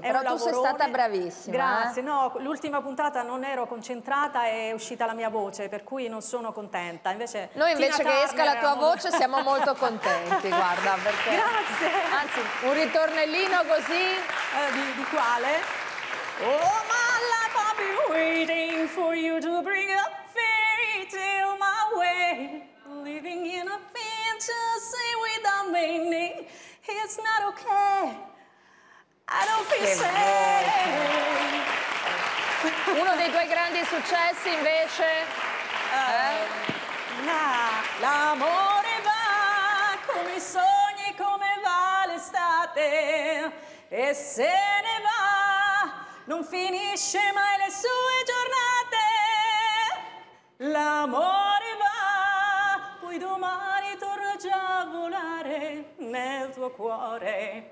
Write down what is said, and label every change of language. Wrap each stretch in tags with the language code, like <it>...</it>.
<it>Però tu sei stata bravissima. Grazie, no, l'ultima puntata non ero concentrata e è uscita la mia voce, per cui non sono contenta. Noi invece che esca la tua voce siamo molto contenti, guarda, perché... Grazie! Anzi, un ritornellino così... Di quale?</it> <en>Oh, my life, I'll be waiting for you to bring a fairy tale my way. Living in a fantasy without meaning, it's not okay, I don't feel safe.</en> <it>Uno dei tuoi grandi successi, invece... L'amore i sogni come va l'estate e se ne va, non finisce mai le sue giornate, l'amore va, poi domani torna già a volare nel tuo cuore.</it>